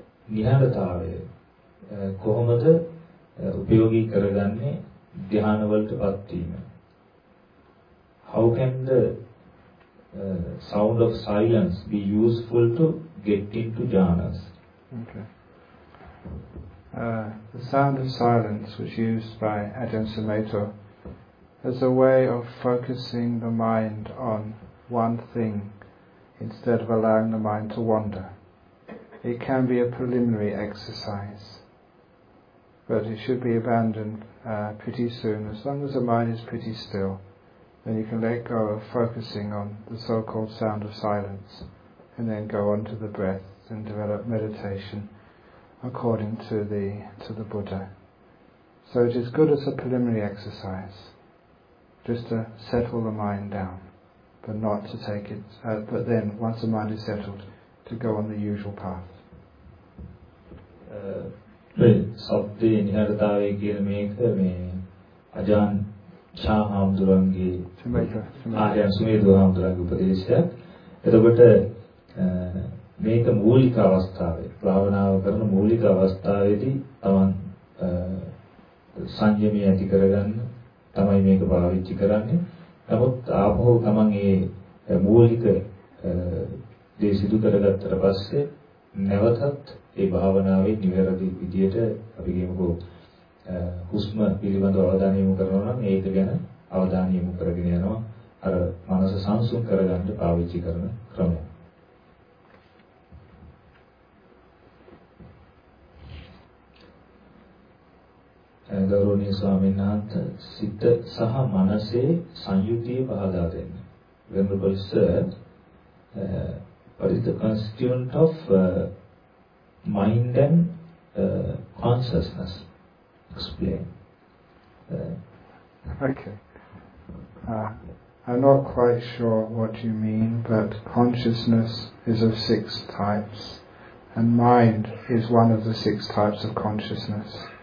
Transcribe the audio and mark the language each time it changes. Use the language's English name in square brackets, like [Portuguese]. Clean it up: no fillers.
[Sinhala] නිහඬතාවය කොහොමද උපයෝගී කරගන්නේ ධ්‍යාන වලටපත් වීම? [English] How can the sound of silence be useful to get into jhanas? Okay. The sound of silence was used by Ajahn Sumedho as a way of focusing the mind on one thing instead of allowing the mind to wander. It can be a preliminary exercise, but it should be abandoned pretty soon. As long as the mind is pretty still, then you can let go of focusing on the so-called sound of silence, and then go on to the breath and develop meditation according to the Buddha. So it is good as a preliminary exercise, just to settle the mind down, but not to take it. But then, once the mind is settled, to go on the usual path. [Sinhala] සබ්දේ නිහඬතාවයේ කියන මේක මේ අජාන් ෂා හම්දුරංගේ ආර්යයන් සුමේධ හම්දුරංගේ උපදේශයක්. එතකොට මේක මූලික අවස්ථාවේ භාවනාව කරන මූලික අවස්ථාවේදී තමන් සංයමය ඇති කරගන්න තමයි මේක පාවිච්චි කරන්නේ. නමුත් ආපහු තමන් ඒ මූලික දේ සිදු කරගත්තට පස්සේ නැවතත් ඒ භාවනාවේ නිවැරදි විදියට අපි කියමුකෝ හුස්ම පිළිබඳ අවධානය යොමු කරනවා නම් ඒක ගැන අවධානය යොමු කරගෙන යනවා අර මනස සංසුන් කරගන්න පාවිච්චි කරන ක්‍රමය. ගෞරවනීය ස්වාමීන් වහන්සේ සිත සහ මනසේ සංයුතිය පහදා දෙන්න. වෙනු පරිසර [English] what is the constituent of mind and consciousness? Explain. Okay. I'm not quite sure what you mean, but consciousness is of six types, and mind is one of the six types of consciousness.